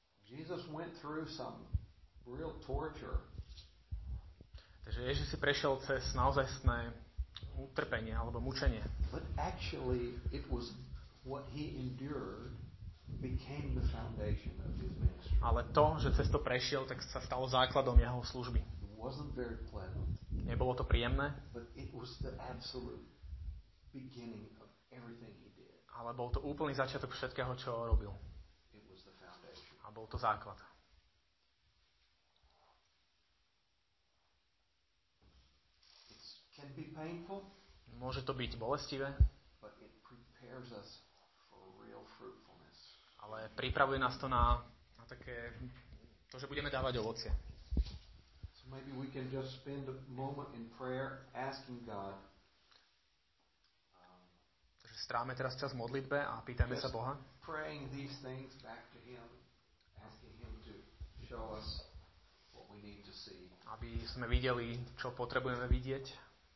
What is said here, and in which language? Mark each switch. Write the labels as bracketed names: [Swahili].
[English] Jesus went through some real torture. [Slovak] Takže Ježiš si prešiel cez naozajstné utrpenie alebo mučenie. [English] But actually it was what he endured became the foundation of his ministry. [Slovak] Ale to, že cez to prešiel, tak sa stalo základom jeho služby. [English] It wasn't very pleasant. [Slovak] Nebolo to príjemné. [English] But it was the absolute beginning of everything he did. [Slovak] Ale bol to úplný začiatok všetkého, čo robil. [English] It was the foundation. [Slovak] A bol to základ. [English] Can be painful. [Slovak] Môže to byť bolestivé. [English] But it prepares us for real fruitfulness. [Slovak] Ale pripravuje nás to na také to, že budeme dávať ovocie. [English] So maybe we can just spend a moment in prayer asking God. [Slovak] Takže stráme teraz čas v modlitbe a pýtame sa Boha. [English] Praying these things back to him, asking him to show us what we need to see. [Slovak] Aby sme videli, čo potrebujeme vidieť.